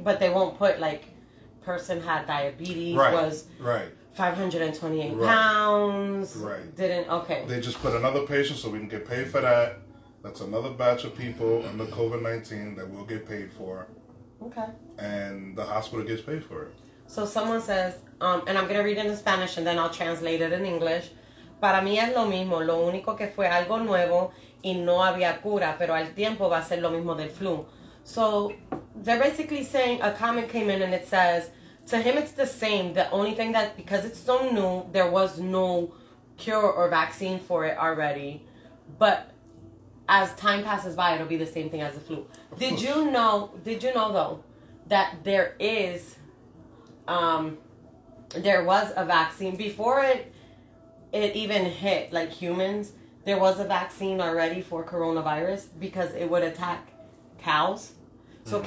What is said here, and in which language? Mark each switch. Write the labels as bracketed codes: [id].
[en] But they won't put, like, person had diabetes, was 528 pounds, right. didn't, okay. They just put another patient so we can get paid for that, That's another batch of people under COVID-19 that will get paid for. Okay. And the hospital gets paid for it. So someone says, and I'm going to read it in Spanish and then I'll translate it in English. [es] Para mí es lo mismo, lo único que fue algo nuevo y no había cura, pero al tiempo va a ser lo mismo del flu. [en] So they're basically saying, a comment came in and it says, to him it's the same, the only thing that, because it's so new, there was no cure or vaccine for it already, but as time passes by, it'll be the same thing as the flu. Did you know though, that there is, there was a vaccine before it even hit, like humans, there was a vaccine already for coronavirus because it would attack cows. So mm-hmm.